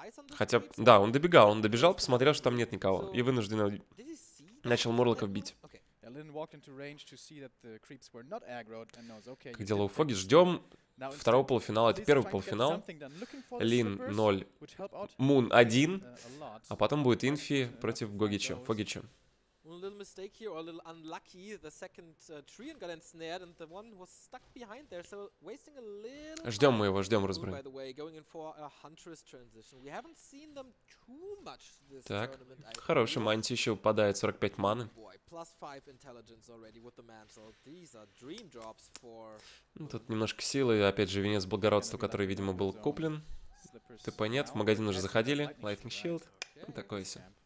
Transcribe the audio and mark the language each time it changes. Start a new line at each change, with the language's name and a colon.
Russian: Хотя, да, он добегал, посмотрел, что там нет никого. И вынужденно начал Морлоков бить. Как дела у Фоги? Ждем второго полуфинала. Это первый полуфинал. Лин 0, Мун 1. А потом будет Инфи против Гогича, Фогича.
English: a little mistake here, or a little unlucky. The second Treant got ensnared, and the one was stuck behind there, so wasting a little.
Russian: Ждем мы его, ждем разбора.
English: By the way, going in for a Huntress transition. We haven't seen them too much this tournament.
Russian: Так, хорошая мантия еще упадает, 45 маны.
English: Boy, plus 5 intelligence already with the mantle. These are dream drops for.
Russian: Ну, тут немножко силы, опять же венец благородства, который, видимо, был куплен. ТП нет, в магазин уже заходили. Lightning Shield. Ну, такой себе.